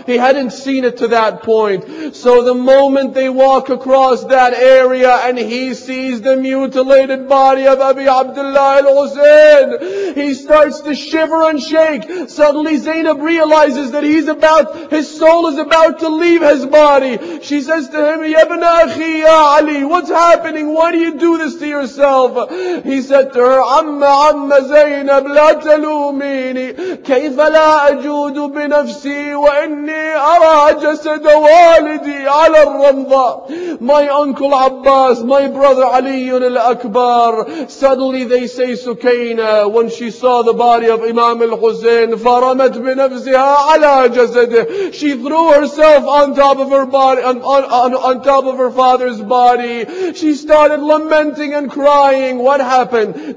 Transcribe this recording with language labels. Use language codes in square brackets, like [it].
[en] He hadn't seen it to that point. So the moment they walk across that area and he sees the mutilated body of Abi Abdullah al-Hussein, he starts to shiver and shake. Suddenly Zainab realizes that his soul is about to leave his body. She says to him, Ya Ibn Akhi, Ya Ali, what's happening? Why do you do this to yourself? He said to her, [ar] Amma, Amma Zainab, La Talumini, كيف لا أجود بنفسي وإني أرى جسد والدي على الرمضة. [en] My uncle Abbas, my brother Ali al-Akbar. Suddenly they say Sukaina, when she saw the body of Imam al-Hussein, [ar] فرمت بنفسها على جسده. [en] She threw herself on top of her body, on top of her father's body. She started lamenting and crying. What happened?